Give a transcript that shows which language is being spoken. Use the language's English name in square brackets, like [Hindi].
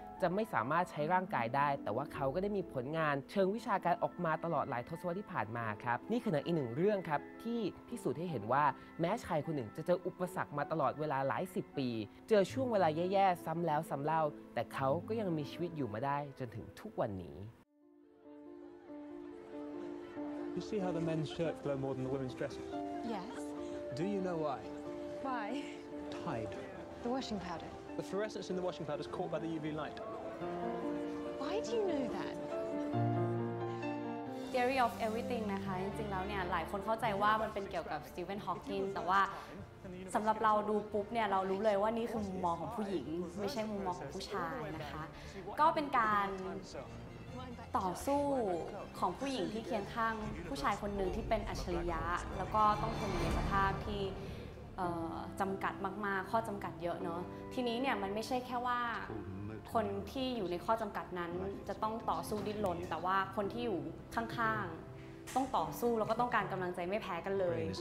[Thai] จะไม่สามารถใช้ร่างกายได้แต่ว่าเขาก็ได้มีผลงานเชิงวิชาการออกมาตลอดหลายทศวรรษที่ผ่านมาครับนี่คือหนังอีกหนึ่งเรื่องครับที่พิสูจน์ให้เห็นว่าแม้ชายคนหนึ่งจะเจออุปสรรคมาตลอดเวลาหลายสิบปีเจอช่วงเวลาแย่ๆซ้ำแล้วซ้ำเล่าแต่เขาก็ยังมีชีวิตอยู่มาได้จนถึงทุกวันนี้ [English] You see how the men's shirts glow more than the women's dresses? Yes. Do you know why? Why? Tide. The washing powder. The fluorescence in the washing powder is caught by the UV light. Why do you know that? [Thai] Theory of everything นะคะจริงๆแล้วเนี่ยหลายคนเข้าใจว่ามันเป็นเกี่ยวกับสตีเฟนฮอว์กินแต่ว่า สำหรับเราดูปุ๊บเนี่ยเรารู้เลยว่านี่คือมุมมองของผู้หญิงไม่ใช่มุมมองของผู้ชายนะคะก็เป็นการต่อสู้ของผู้หญิงที่เคียงข้างผู้ชายคนนึงที่เป็นอัจฉริยะแล้วก็ต้องทนในสภาพที่จำกัดมากๆข้อจำกัดเยอะเนาะทีนี้เนี่ยมันไม่ใช่แค่ว่าคนที่อยู่ในข้อจำกัดนั้นจะต้องต่อสู้ดิ้นรนแต่ว่าคนที่อยู่ข้างๆต้องต่อสู้แล้วก็ต้องการกำลังใจไม่แพ้กันเลย